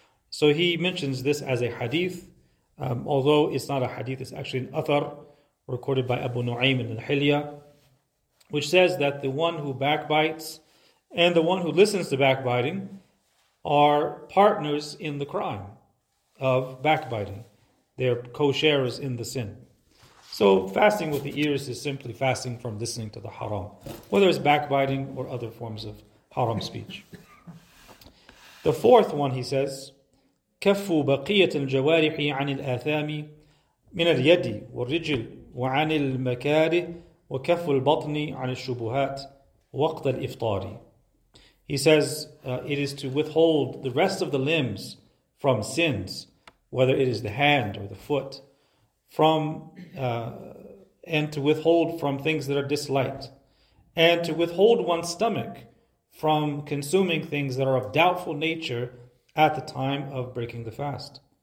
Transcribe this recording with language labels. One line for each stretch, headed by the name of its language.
English: So he mentions this as a hadith, although it's not a hadith, it's actually an athar recorded by Abu Nu'aym in Al-Hilya, which says that the one who backbites and the one who listens to backbiting are partners in the crime of backbiting. They're co-sharers in the sin. So fasting with the ears is simply fasting from listening to the haram, whether it's backbiting or other forms of haram speech. The fourth one, he says,
Arabic: كَفُّ بَقِيَّةِ الْجَوَارِحِ عَنِ الْآثَامِ مِنَ الْيَدِ وَالرِّجِلِ وَعَنِ الْمَكَارِهِ وَكَفُّ الْبَطْنِ عَنِ الشُّبُهَاتِ وقت الإفطاري.
English: He says it is to withhold the rest of the limbs from sins, whether it is the hand or the foot, from and to withhold from things that are disliked, and to withhold one's stomach from consuming things that are of doubtful nature at the time of breaking the fast.